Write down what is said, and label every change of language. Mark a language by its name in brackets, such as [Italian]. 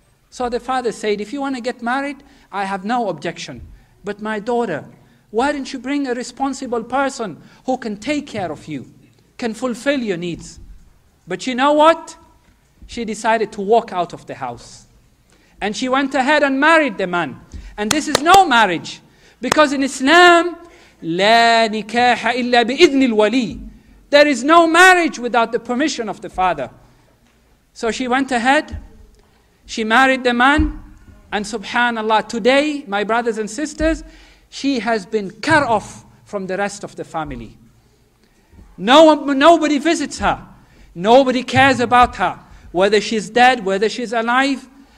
[English] So the father said, if you want to get married, I have no objection. But my daughter, why didn't you bring a responsible person who can take care of you, can fulfill your needs? But you know what? She decided to walk out of the house. And she went ahead and married the man. And this is no marriage. Because in Islam, [Arabic] لا نكاح إلا بإذن الولي. [English] There is no marriage without the permission of the father. So she went ahead, she married the man, and subhanAllah, today, my brothers and sisters, she has been cut off from the rest of the family. Nobody visits her. Nobody cares about her, whether she's dead, whether she's alive.